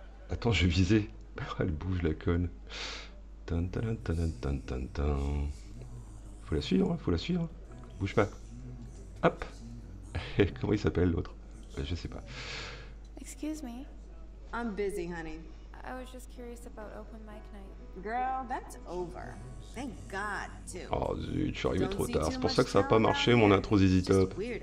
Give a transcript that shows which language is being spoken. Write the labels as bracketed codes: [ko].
[fr] Attends, je vais viser. Elle bouge la conne. Tan tan tan tan tan tan. Faut la suivre, faut la suivre. Bouge pas. Hop. Comment il s'appelle l'autre? Je sais pas. [en] Excuse me. I'm busy, honey. I was just curious about open mic night. Girl, that's over. Thank God, too. [fr] Oh zut, je suis arrivé trop tard. C'est pour ça que ça a pas marché, mon intro ZZ Top.